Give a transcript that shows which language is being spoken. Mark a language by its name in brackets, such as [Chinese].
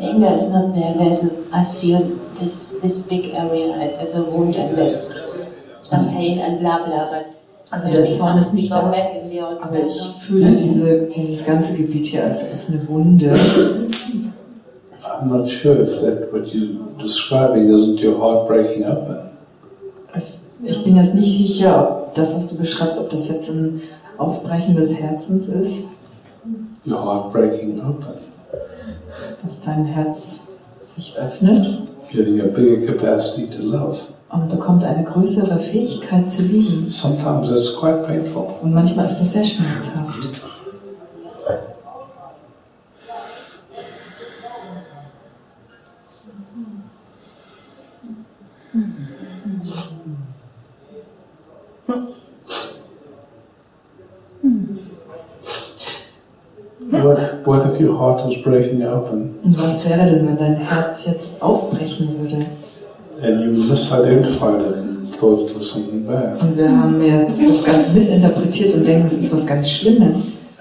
[English] anger is not there, I feel this big area, there's a wound and there's some pain and blah blah, but [German] also der Zorn ist nicht da, aber ich fühle dieses ganze Gebiet hier als eine Wunde. [English] I'm not sure if that what you're describing isn't your heart breaking up. [German] Ich bin jetzt nicht sicher, ob das, was du beschreibst, ob das jetzt ein Aufbrechen des Herzens ist. [English] Your heart breaking open. [German] Dass dein Herz sich öffnet. [English] Getting a bigger capacity to love. [German] Und bekommt eine größere Fähigkeit zu lieben. [English] Sometimes that's quite painful. [German] Und manchmal ist das sehr schmerzhaft. [English] What if your heart was breaking open? [German] Und was wäre denn, wenn dein Herz jetzt aufbrechen würde? [English] And you misidentified it and thought it was something bad. [German] Und wir haben jetzt das Ganze missinterpretiert und denken, es ist was ganz Schlimmes.